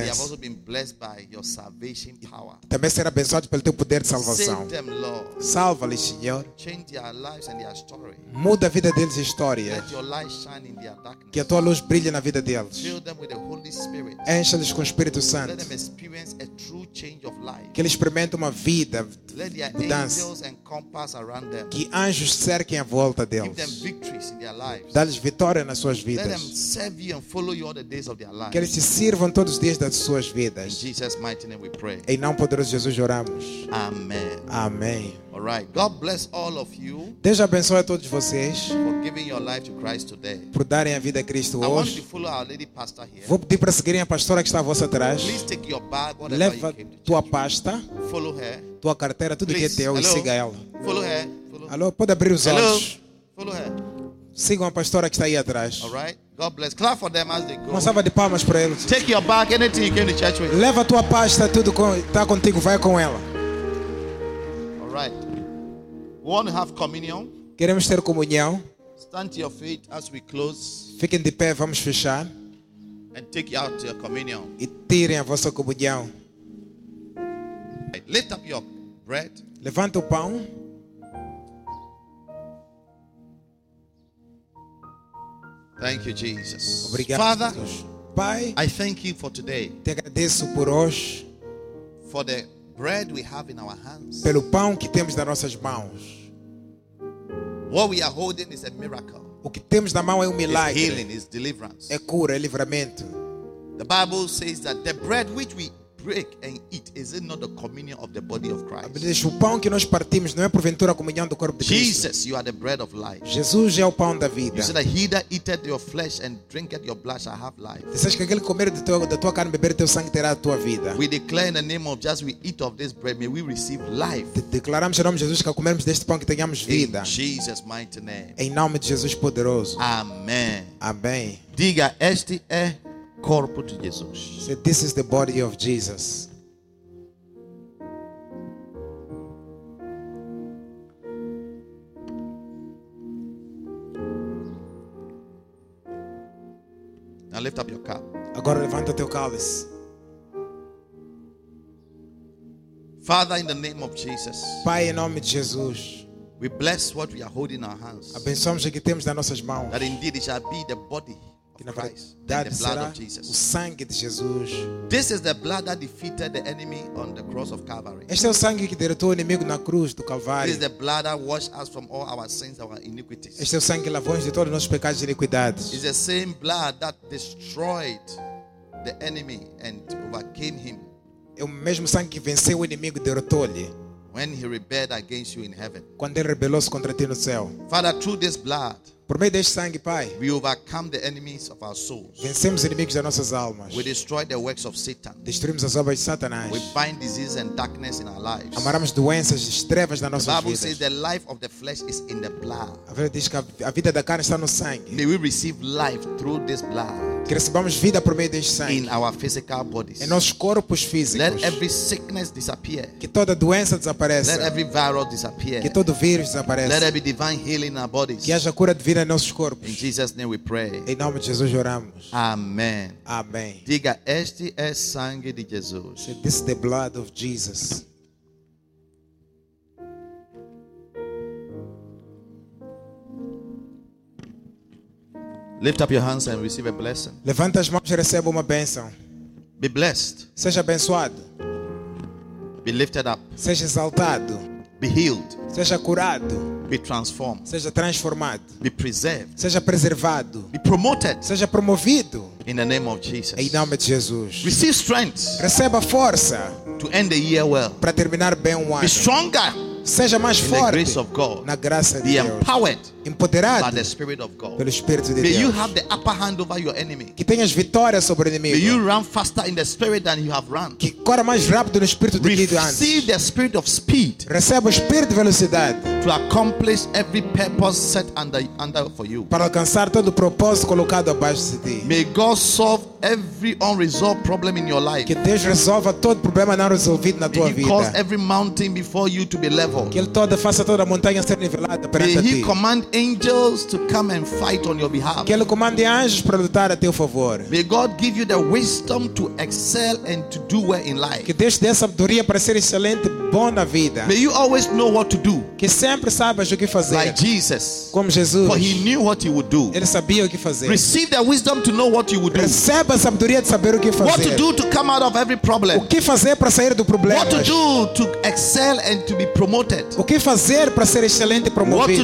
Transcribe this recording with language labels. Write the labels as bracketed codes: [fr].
[en] And they have also been blessed by your salvation power. [pt] Também ser abençoados pelo teu poder de salvação. [en] Save them, Lord. [pt] Salva-lhes, Senhor. [en] Change their lives and their story. [pt] Muda a vida deles e história. [en] Let your light shine in their darkness. [pt] Que a tua luz brilhe na vida deles. [en] Fill them with the Holy Spirit. [pt] Encha-lhes com o Espírito Santo. [en] Let them experience a true change of life. [pt] Que eles experimentem uma vida [en] Let their [pt] mudança. [en] Angels encompass around them. [pt] Que anjos cerquem a volta deles. [en] Give them victories in their lives. [pt] Dá-lhes vitória nas suas vidas. [en] Let them serve you and follow you all the days of their lives. [pt] Que eles te sirvam todos os dias das suas vidas. [en] In Jesus' mighty name we pray. [pt] Em nome poderoso de Jesus oramos. Amém. Amém. [en] All right. God bless all of you. [pt] Deus abençoe a todos vocês. [en] For giving your life to Christ today. [pt] Por darem a vida a Cristo hoje. [en] I want you to follow our lady pastor here. [pt] Vou pedir para seguirem a pastora que está à vossa atrás. [en] Please take your bag, whatever [pt] Leva [en] you came to [pt] tua pasta. [en] Follow her. [pt] Tua carteira, tudo [en] Please. [pt] Que é teu, [en] Hello. [pt] E siga ela. [en] Follow her. Follow. [pt] Alô, pode abrir os [en] Hello. [pt] Olhos. [en] Follow her. [pt] Sigam a pastora que está aí atrás. [en] All right. God bless. Clap for them as they go. [pt] Uma salva de palmas para eles. [en] Take your bag, anything you came to church with. [pt] Leva tua pasta, tudo que está contigo, vai com ela. [en] Right. We want to have communion. [pt] Queremos ter comunhão. [en] Stand to your feet as we close. [pt] Fiquem de pé, vamos fechar. [en] And take out your communion. [pt] E tirem a vossa comunhão. [en] Right. Lift up your bread. [pt] Levanta o pão. [en] Thank you, Jesus. [pt] Obrigado, [en] Father, [pt] Jesus. Pai, [en] I thank you for today. [pt] Te agradeço por hoje. [en] For the bread we have in our hands. [pt] Pelo pão que temos nas nossas mãos. [en] What we are holding is a miracle. [pt] O que temos na mão é milagre. [en] It's healing, it's deliverance. [pt] É cura, é livramento. [en] The Bible says that the bread which we break and eat is it not the communion of the body of Christ. [pt] O pão que nós partimos não é porventura a comunhão do corpo de Cristo. [en] Jesus, you are the bread of life. [pt] Jesus é o pão da vida. [en] You said that he that eateth your flesh and drinketh your blood shall have life. [pt] Dizes que aquele que comer da tua carne e beber teu sangue terá a tua vida. [en] We declare in the name of Jesus, we eat of this bread, may we receive life. [pt] Declaramos em nome de Jesus que ao comermos deste pão que tenhamos vida. [en] In Jesus' mighty name. [pt] Em nome de Jesus poderoso. Amém. Amém. Diga, este é corpo de Jesus. [en] So this is the body of Jesus. Now lift up your cup. [pt] Agora levanta teu cálice. [en] Father, in the name of Jesus. [pt] Pai, em nome de Jesus. [en] We bless what we are holding in our hands. [pt] Abençoamos o que temos nas nossas mãos. [en] That indeed it shall be the body. [pt] Que na verdade será o sangue de Jesus. [en] This is the blood that defeated the enemy on the cross of Calvary. [pt] Este é o sangue que derrotou o inimigo na cruz do Calvário. [en] This is the blood that washed us from all our sins, our iniquities. [pt] Este é o sangue que lavou-nos de todos os nossos pecados e iniquidades. [en] It's the same blood that destroyed the enemy and overcame him. [pt] É o mesmo sangue que venceu o inimigo e derrotou-lhe. [en] When he rebelled against you in heaven. [pt] Quando ele rebelou-se contra ti no céu. [en] Father, through this blood. [pt] Por meio deste sangue, Pai, [en] we overcome the enemies of our souls. [pt] Vencemos inimigos das nossas almas. [en] We destroy the works of Satan. [pt] Destruímos as obras de Satanás. [en] We bind disease and darkness in our lives. [pt] Amarramos doenças e trevas nas nossas vidas. [en] The Bible says the life of the flesh is in the blood. [pt] A Bíblia diz que a vida da carne está no sangue. [en] May we receive life through this blood. [pt] Que recebamos vida por meio deste sangue. [en] In our physical bodies. [pt] Em nossos corpos físicos. [en] Let every sickness disappear. [pt] Que toda doença desapareça. [en] Let every virus disappear. [pt] Que todo vírus desapareça. [en] Let there be divine healing in our bodies. [pt] Que haja cura divina em nossos corpos. [en] In Jesus' name we pray. [pt] Em nome de Jesus oramos. Amém. Amém. Diga, este é sangue de Jesus. [en] Say, this is the blood of Jesus. Lift up your hands and receive a blessing. [pt] Levanta as mãos e receba uma bênção. [en] Be blessed. [pt] Seja abençoado. [en] Be lifted up. [pt] Seja exaltado. [en] Be healed. [pt] Seja curado. [en] Be transformed. [pt] Seja transformado. [en] Be preserved. [pt] Seja preservado. [en] Be promoted. [pt] Seja promovido. [en] In the name of Jesus. [pt] Em nome de Jesus. [en] Receive strength. [pt] Receba força. [en] To end the year well. [pt] Para terminar bem o ano. [en] Be stronger. [pt] Seja mais [en] in [pt] forte [en] the grace of God, [pt] na graça de [en] be [pt] Deus. [en] Empowered [pt] empoderado [en] by the Spirit of God. [pt] Pelo Espírito de [en] May [pt] Deus. [en] You have the upper hand over your enemy. [pt] Que tenhas vitória sobre o inimigo. [en] May you run faster in the Spirit than you have run. [pt] Que corra mais rápido no Espírito do que antes. [en] Receive the Spirit of speed. [pt] Receba o Espírito de velocidade. [en] to accomplish every purpose set under for you. [pt] Para alcançar todo o propósito colocado abaixo de ti. [en] May God solve every unresolved problem in your life. [pt] Que Deus resolva todo problema não resolvido na tua vida. [en] May He cause every mountain before you to be leveled. [pt] Que Ele toda faça toda a montanha ser nivelada perante ti. [en] May He command angels to come and fight on your behalf. [pt] Que Ele comande anjos para lutar a teu favor. [en] May God give you the wisdom to excel and to do well in life. [pt] Que Deus dê sabedoria para ser excelente, bom na vida. [en] May you always know what to do. [pt] Que sempre saibas o que fazer. [en] Like Jesus. [pt] Como Jesus. [en] For He knew what He would do. [pt] Ele sabia o que fazer. [en] Receive the wisdom to know what you would do. [pt] Receba a sabedoria de saber o que fazer. [en] What to do to come out of every problem. [pt] O que fazer para sair do problema. [en] What to do to excel and to be promoted. [pt] O que fazer para ser excelente e promovido.